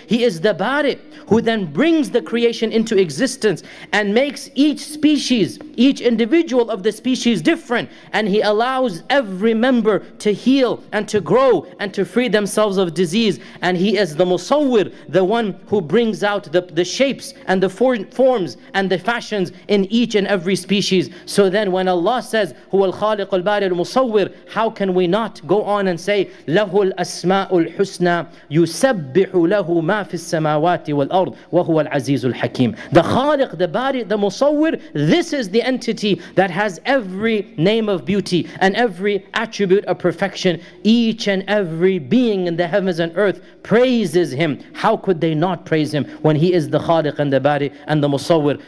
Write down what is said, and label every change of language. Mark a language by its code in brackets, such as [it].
[en] He is the bari, who then brings the creation into existence and makes each species, each individual of the species different. And he allows every member to heal and to grow and to free themselves of disease. And he is the musawwir, the one who brings out the shapes and the forms and the fashions in each and every species. So then when Allah says, [ar] هو الخالق البارئ المصور, [en] how can we not go on and say, [ar] له الأسماء الحسنى يسبح له ما في السماوات والأرض وهو العزيز الحكيم. [en] The خالق, the بارئ, the مصور, this is the entity that has every name of beauty and every attribute of perfection. Each and every being in the heavens and earth praises him. How could they not praise him when he is the خالق and the بارئ and the musawwir?